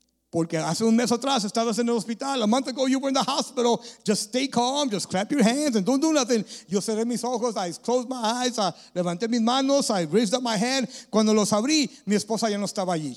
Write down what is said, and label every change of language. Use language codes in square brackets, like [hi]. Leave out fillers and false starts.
[es] Porque hace un mes atrás estabas en el hospital. [en] A month ago you were in the hospital. Just stay calm, just clap your hands and don't do nothing. [es] Yo cerré mis ojos, [en] I closed my eyes, I [es] levanté mis manos, [en] I raised up my hand. [es] Cuando los abrí, mi esposa ya no estaba allí.